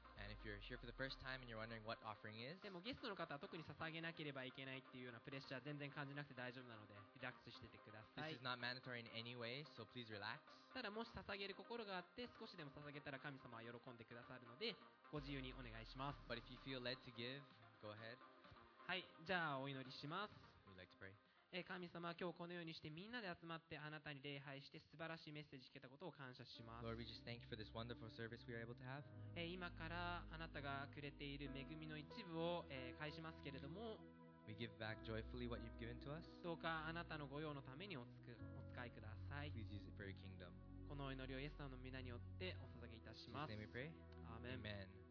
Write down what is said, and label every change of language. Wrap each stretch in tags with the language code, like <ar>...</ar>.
<en>And if you're here for the first time and you're wondering what offering is,</en> <ja>でもゲストの方は特に捧げなければいけないっていうようなプレッシャー全然感じなくて大丈夫なのでリラックスしててください。</ja> <en>This is not mandatory in any way, so please relax.</en> <ja>ただもし捧げる心があって少しでも捧げたら神様は喜んでくださるのでご自由にお願いします。</ja> <en>But if you feel led to give, go ahead.</en> <ja>はい、じゃあお祈りします。</ja> <en>We'd like to pray.</en> <ja>神様、今日このようにしてみんなで集まってあなたに礼拝して素晴らしいメッセージを聞けたことを感謝します。</ja> <en>Lord, we just thank you for this wonderful service we are able to have.</en> <ja>今からあなたがくれている恵みの一部を、返しますけれども、</ja> <en>We give back joyfully what you've given to us.</en> <ja>どうかあなたの御用のためにお使いください。</ja> <en>Please use it for your kingdom.</en> <ja>このお祈りをイエス様の御名によってお捧げいたします。</ja> <en>Jesus, name we pray. Amen. Amen.</en>